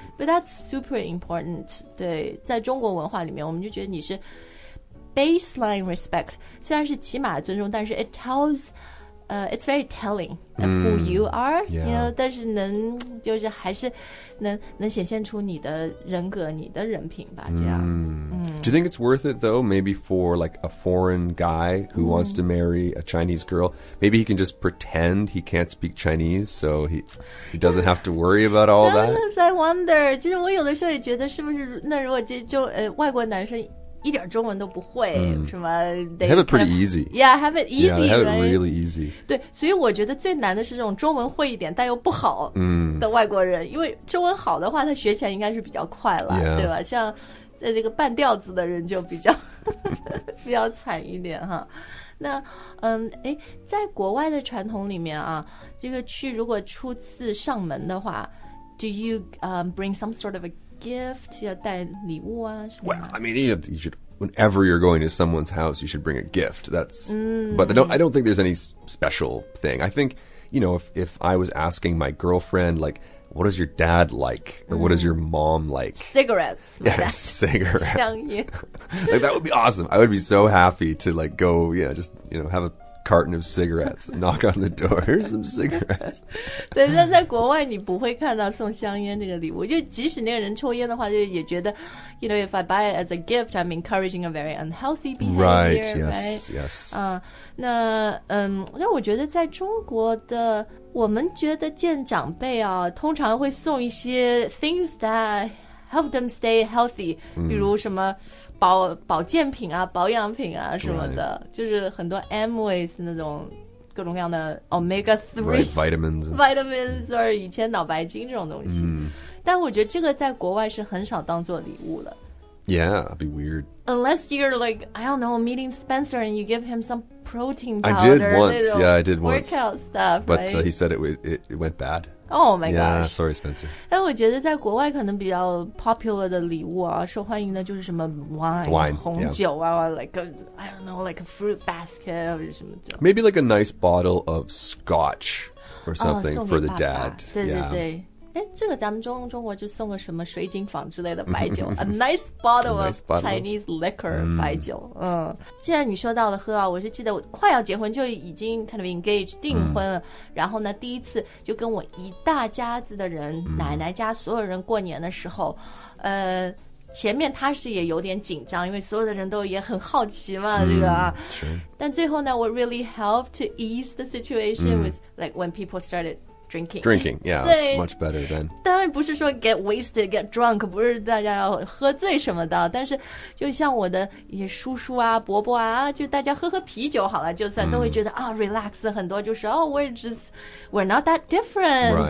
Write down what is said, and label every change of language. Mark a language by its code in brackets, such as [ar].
[zh] but that's super important 对在中国文化里面我们就觉得你是 [en] baseline respect [zh] 虽然是起码尊重但是 [en] it tells it's very telling of、 [zh] mm. [en] who you are、 yeah. you know, [zh] 但是能就是还是能显现出你的人格你的人品吧这样、 mm. [en] Do you think it's worth it, though, maybe for, like, a foreign guy who、mm. wants to marry a Chinese girl? Maybe he can just pretend he can't speak Chinese, so he doesn't have to worry about all that? Sometimes I wonder. [zh] 其实我有的时候也觉得是不是那如果就外国男生一点中文都不会、mm. 什么 [en] They have it pretty easy. Yeah, have it easy. Yeah, they have it really easy. [zh] 对，所以我觉得最难的是这种中文会一点但又不好的外国人、mm. 因为中文好的话他学起来应该是比较快了、 [en] yeah. [zh] 对吧像在这个半吊子的人就比较惨一点哈。那在国外的传统里面啊，这个去如果初次上门的话 ， [en] Do you bring some sort of a gift？ [zh] 要带礼物啊什么 [en] ？Well, I mean, you should whenever you're going to someone's house, you should bring a gift. That's、mm. but I don't think there's any special thing. I think you know if I was asking my girlfriend like. What is your dad like? Or what is your mom like? Cigarettes. Yeah, cigarettes. [zh] 香烟 [en] like, that would be awesome. I would be so happy to like go, yeah, just, you know, have a carton of cigarettes. Knock on the door, here's some cigarettes. [zh] 对，但在国外你不会看到送香烟这个礼物，就即使那个人抽烟的话，就也觉得 [en] you know, if I buy it as a gift, I'm encouraging a very unhealthy behavior. Right, yes, right? yes. [zh] 那那我觉得在中国的我们觉得见长辈啊，通常会送一些 [en] things that help them stay healthy,、 [zh] mm. 比如什么保健品啊，保养品啊什么的、 [en] right. [zh] 就是很多 Amways 那种各种各样的 Omega 3 [en] right, Vitamins and... [zh] Vitamins or 以前脑白金这种东西、mm. 但我觉得这个在国外是很少当做礼物的 [en] Yeah, it'd be weird Unless you're like, I don't know, meeting Spencer and you give him some protein powder I did once, yeah, I did once Workout stuff, But、 right? He said it went bad Oh my yeah, gosh. Yeah, sorry, Spencer. [zh] 但我觉得在国外可能比较 popular 的礼物啊，受欢迎的就是什么 [en] wine, [zh] 红酒啊、 [en] yeah. like a, I don't know, like a fruit basket or [zh] 什么酒。 [en] Maybe like a nice bottle of scotch or something、 oh, for the dad. [zh] 爸爸对对对。哎、 [en] yeah. ， [zh] 这个咱们中国就送个什么水井坊之类的白酒， [en] a nice bottle of Chinese liquor、 [zh] mm. 白酒。嗯，既然你说到了喝啊，我是记得我快要结婚就已经 [en] kind of engaged [zh] 订婚了， mm. 然后呢，第一次就跟我一大家子的人， mm. 奶奶家所有人过年的时候，前面他是也有点紧张，因为所有的人都也很好奇嘛，这个啊。但最后呢 [en] ，what really helped to ease the situation、mm. was like when people started. Drinking, yeah, it's much better than. [zh] 当然不是说 [en] get wasted, get drunk, [zh] 不是大家要喝醉什么的，但是就像我的一些叔叔啊、伯伯啊，就大家喝喝啤酒好了，就算都会觉得啊、mm. [en] oh, relax [zh] 很多，就是哦、 [en] oh, we're not that different,